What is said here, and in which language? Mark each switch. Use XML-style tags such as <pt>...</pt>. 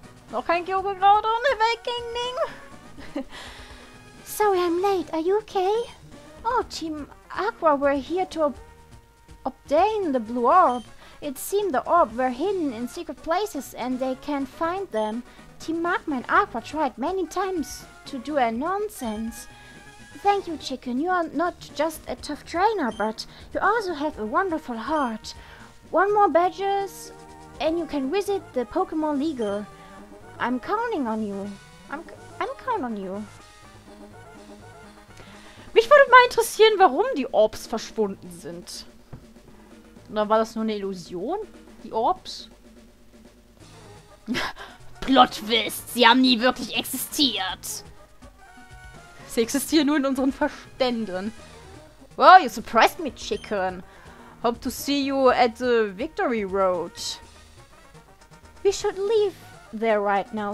<de>Noch kein Joghurt ohne Awakening.</de> <en>Sorry, I'm late. Are you okay? Oh, Team Aqua were here to obtain the blue orb. It seemed the orb were hidden in secret places and they can't find them. Team Magma and Aqua tried many times to do a nonsense. Thank you, Chicken. You are not just a tough trainer, but you also have a wonderful heart. One more badges and you can visit the Pokemon League. I'm counting on you. I'm counting on you.</en> <de>Mich würde mal interessieren, warum die Orbs verschwunden sind. Oder war das nur eine Illusion? Die Orbs? Plot Twist, sie haben nie wirklich existiert. Sie existieren nur in unseren Verständen.</de> <en>Well, you surprised me, Chicken. Hope to see you at the Victory Road. We should leave there right now.</en>